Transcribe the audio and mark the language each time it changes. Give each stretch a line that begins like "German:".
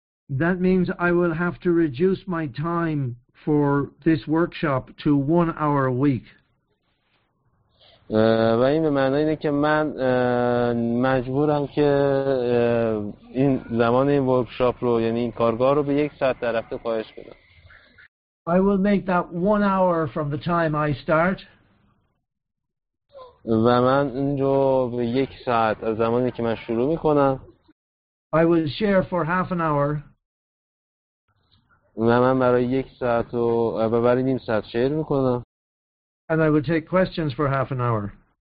English: That means I will have to reduce my time for this workshop to 1 hour a week.
Persian: و این به معنی اینه که من مجبورم که این زمان این ورکشاپ رو, یعنی این کارگاه رو, به 1 ساعت در هفته کاهش بدم.
English: I will make that 1 hour from the time I start.
Persian: و من اینجا به 1 ساعت از زمانی که من شروع میکنم.
English: I will share for half an hour.
Persian: و من برای 1 ساعت و برای 1/2 ساعت شیر میکنم.
English: And I will take questions for half an hour.